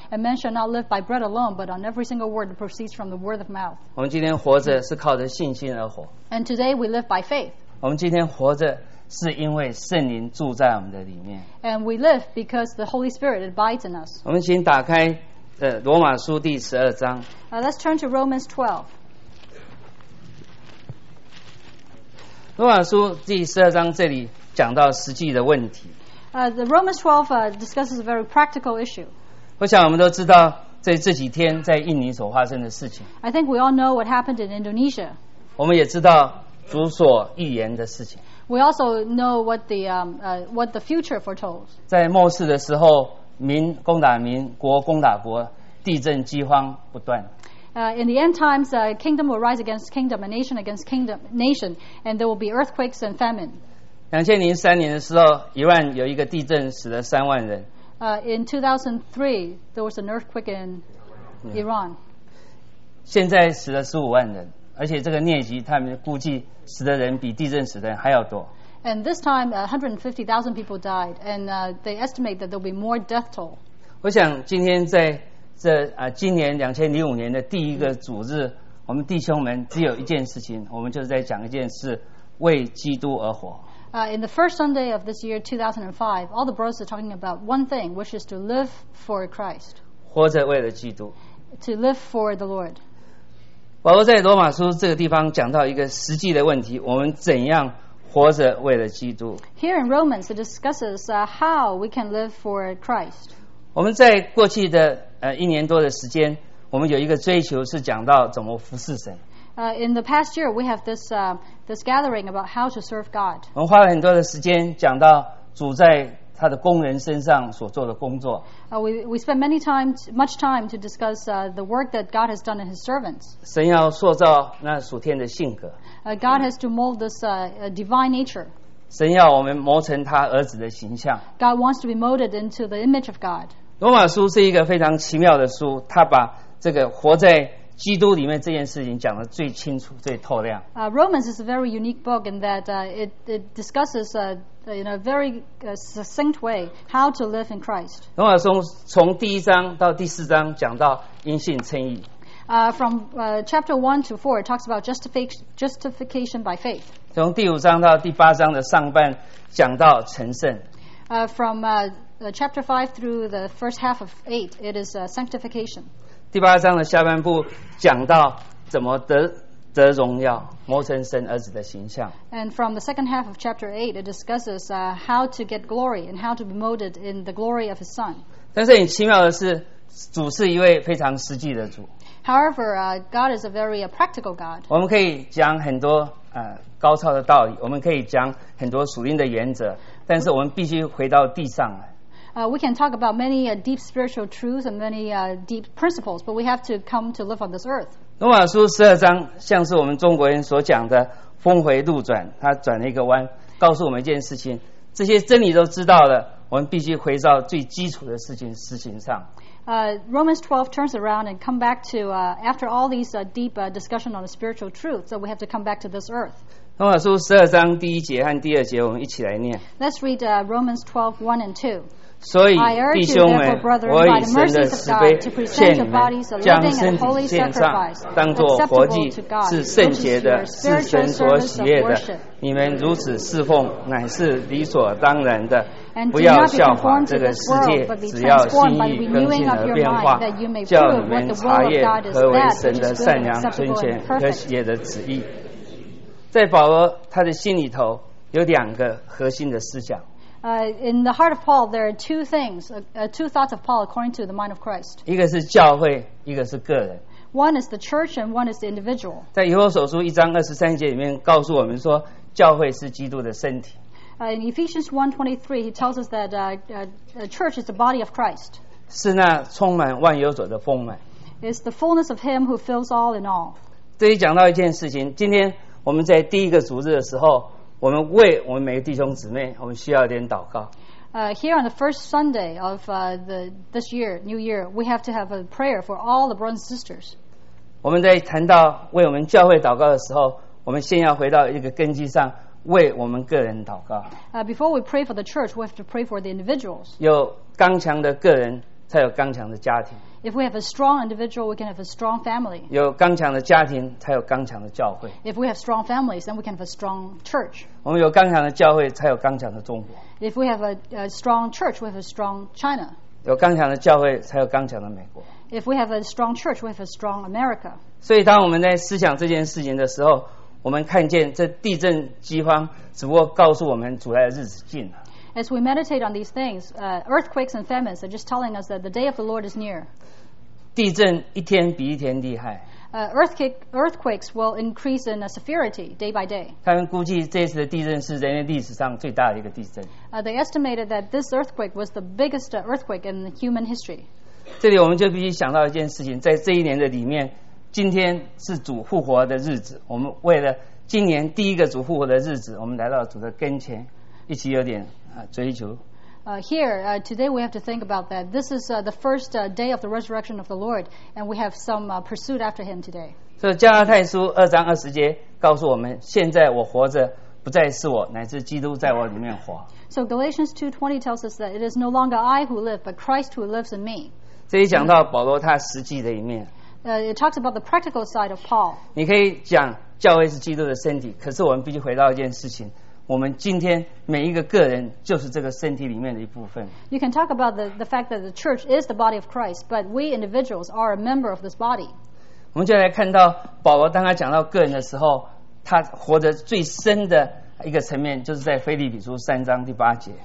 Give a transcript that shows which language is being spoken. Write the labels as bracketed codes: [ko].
[en] And men shall not live by bread alone, but on every single word that proceeds from the word of mouth. [zh] 我们今天活着是靠着信心而活。 [en] And today we live by faith. [zh] 我们今天活着是因为圣灵住在我们的里面。 [en] And we live because the Holy Spirit abides in us. [zh] 我们请打开罗马书第十二章。 [en] Let's turn to Romans 12. [zh] 罗马书第十二章这里讲到实际的问题。 [en] The Romans 12 discusses a very practical issue. [zh] 我想我们都知道在这几天在印尼所发生的事情。 [en] I think we all know what happened in Indonesia. [zh] 我们也知道主所预言的事情。 [en] We also know what the future foretold. [zh] 在末世的时候，民攻打民，国攻打国，地震饥荒不断。 [en] In the end times, kingdom will rise against kingdom, a nation against kingdom, nation, and there will be earthquakes and famine. [zh] 2003年的时候，伊朗有一个地震，死了30,000人。 [en] In 2003, there was an earthquake in Iran. [zh] 现在死了150,000人，而且这个疟疾，他们估计死的人比地震死的人还要多。 [en] And this time, 150,000 people died, and they estimate that there will be more death toll. [zh] 我想今天在这今年2005年的第一个主日，我们弟兄们只有一件事情，我们就是在讲一件事，为基督而活。 [en] In the first Sunday of this year, 2005, all the brothers are talking about one thing, which is to live for Christ. [zh] 活着为了基督。 [en] To live for the Lord. [zh] 保罗在罗马书这个地方讲到一个实际的问题，我们怎样活着为了基督。 [en] Here in Romans, it discusses how we can live for Christ. [zh] 我们在过去的一年多的时间，我们有一个追求是讲到怎么服侍神。 [en] In the past year, we have this, this gathering about how to serve God. [zh] 我们花了很多的时间讲到主在他的工人身上所做的工作。 [en] We spent much time to discuss the work that God has done in his servants. [zh] 神要塑造那属天的性格。 [en] God has to mold this divine nature. [zh] 神要我们磨成他儿子的形象。 [en] God wants to be molded into the image of God. [zh] 罗马书是一个非常奇妙的书，他把这个活在基督里面这件事情讲得最清楚最透亮。 [en] Romans is a very unique book in that it discusses in a very succinct way how to live in Christ. [zh] 罗马书从第一章到第四章讲到因信称义。 [en] From chapter 1 to 4 it talks about justification by faith. [zh] 从第五章到第八章的上半讲到成圣。 [en] From chapter 5 through the first half of 8 it is sanctification. [zh] 第八章的下半部讲到怎么得得荣耀，摩成神儿子的形象。 [en] And from the second half of chapter 8 it discusses how to get glory and how to be molded in the glory of his son. [zh] 但是很奇妙的是，主是一位非常实际的主。 [en] However, God is a very practical God. [zh] 我们可以讲很多高超的道理，我们可以讲很多属灵的原则，但是我们必须回到地上来。 [en] We can talk about many deep spiritual truths and many deep principles, but we have to come to live on this earth. [zh] 罗马书十二章像是我们中国人所讲的峰回路转，它转了一个弯，告诉我们一件事情，这些真理都知道了，我们必须回到最基础的事情实行上。 [en] Romans 12 turns around and come back to after all these deep discussion on the spiritual truth, so we have to come back to this earth. [zh] 罗马书十二章第一节和第二节我们一起来念。 [en] Let's read Romans 12, 1 and 2. [zh] 所以弟兄们，我以神的慈悲献你们，将身体献上，当作活祭，是圣洁的，是神所喜悦的。你们如此侍奉乃是理所当然的，不要效法这个世界，只要心意更新而变化，叫你们查验何为神的善良、尊贤和喜悦的旨意。在保罗他的心里头有两个核心的思想。 [en] In the heart of Paul, there are two things, two thoughts of Paul according to the mind of Christ. [zh] 一个是教会，一个是个人。 [en] One is the church and one is the individual. [zh] 在以弗所书一章二十三节里面告诉我们说，教会是基督的身体。 [en] In Ephesians 1:23, he tells us that the church is the body of Christ. [zh] 是那充满万有者的丰满。 [en] It's the fullness of him who fills all in all. [zh] 这里讲到一件事情，今天我们在第一个主日的时候，我们为我们每个弟兄姊妹，我们需要一点祷告。 [en] Here on the first Sunday of this year, New Year, we have to have a prayer for all the brothers and sisters. [zh] 我们在谈到为我们教会祷告的时候，我们先要回到一个根基上，为我们个人祷告。 [en] Before we pray for the church, we have to pray for the individuals. [zh] 有刚强的个人，才有刚强的家庭。 [en] If we have a strong individual, we can have a strong family. [zh] 有刚强的家庭，才有刚强的教会。 [en] If we have strong families, then we can have a strong church. [zh] 我们有刚强的教会，才有刚强的中国。 [en] If we have a strong church, we have a strong China. [zh] 有刚强的教会，才有刚强的美国。 [en] If we have a strong church, we have a strong America. [zh] 所以当我们在思想这件事情的时候，我们看见这地震饥荒只不过告诉我们主来的日子近了。 [en] As we meditate on these things, earthquakes and famines are just telling us that the day of the Lord is near. [zh] 地震一天比一天厉害。 [en] Earthquakes will increase in severity day by day. [zh] 他们估计这次的地震是人类历史上最大的一个地震。 [en] They estimated that this earthquake was the biggest earthquake in human history. [zh] 这里我们就必须想到一件事情，在这一年的里面，今天是主复活的日子。我们为了今年第一个主复活的日子，我们来到主的跟前，一起有点追求。 [en] Today we have to think about that. This is the first day of the resurrection of the Lord, and we have some pursuit after him today. [zh] So, 加拉太书二章二十节告诉我们，现在我活着不再是我，乃是基督在我里面活。 [en] So, Galatians 2:20 tells us that it is no longer I who live, but Christ who lives in me. [zh] 这里讲到保罗他实际的一面。 [en] It talks about the practical side of Paul. [zh] 你可以讲教会是基督的身体，可是我们必须回到一件事情。我们今天每一个个人就是这个身体里面的一部分。 [en] You can talk about the fact that the church is the body of Christ, but we individuals are a member of this body. [zh] 我们就来看到保罗当他讲到个人的时候，他活得最深的一个层面就是在腓立比书三章第八节。